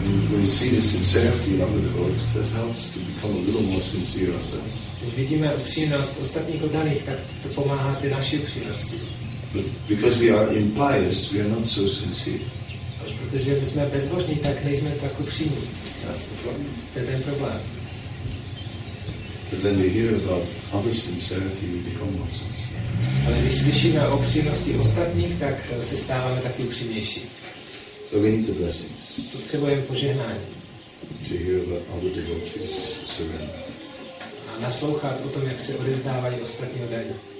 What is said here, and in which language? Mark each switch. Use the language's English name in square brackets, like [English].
[English] When you see the sincerity of other devotees, that helps to become a little more sincere ourselves. [Czech] Když vidíme upřímnost ostatních oddaných, tak to pomáhá ty naši upřímnosti. [English] Because we are impious, we are not so sincere. [Czech] Protože my jsme bezbožní, tak nejsme tak upřímní. [English] That's the problem. [Czech] To je ten problém. [English] But when we hear about other sincerity, we become more sincere. [Czech] Ale když slyšíme o upřímnosti ostatních, tak se stáváme taky upřímnější. [English] So we need the blessings. [Czech] Potřebujeme požehnání. [English] To hear about other devotees surrender. [Czech] A naslouchat o tom, jak se odevzdávají ostatní oddaní.